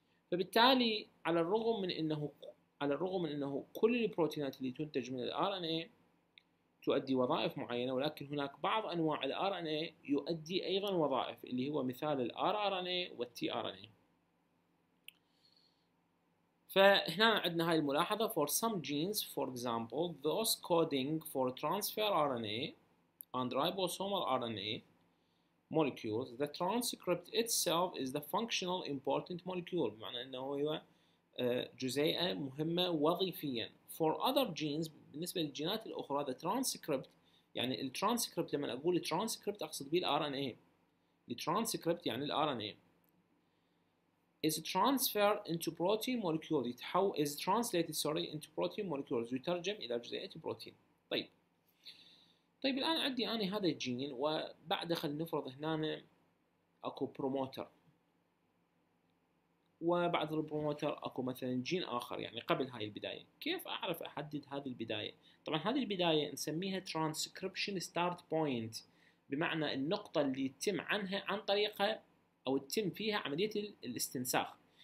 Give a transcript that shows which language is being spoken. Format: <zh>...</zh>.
<ar>فبالتالي على الرغم من انه كل البروتينات اللي تنتج من الار ان اي تؤدي وظائف معينة، ولكن هناك بعض انواع الار ان اي يؤدي ايضا وظائف، اللي هو مثال الار ار ان اي والتي ار ان اي. فهنا عندنا هاي الملاحظة:</ar> <en>for some genes for example those coding for transfer RNA and ribosomal RNA molecules the transcript itself is the functional important molecule،</en> <ar>بمعنى انه هو جزيئة مهمة وظيفيا.</ar> <en>for other genes</en> <ar>بالنسبة للجينات الأخرى</ar> <en>the transcript،</en> <ar>يعني الترانسكريبت لما أقول ترانسكريبت أقصد به الـ RNA، الترانسكريبت يعني الـ RNA</ar> <en>is transferred into protein molecule it how is translated sorry into protein molecules</en> <ar>يترجم الى جزيئات بروتين. طيب الان عندي انا هذا الجين، وبعد خلينا نفرض هنا اكو بروموتر، وبعد البروموتر اكو مثلا جين اخر، يعني قبل هاي البدايه، كيف اعرف احدد هذه البدايه؟ طبعا هذه البدايه نسميها ترانسكريبشن ستارت بوينت، بمعنى النقطه اللي يتم عنها عن طريقها او تتم فيها عمليه الاستنساخ.</ar>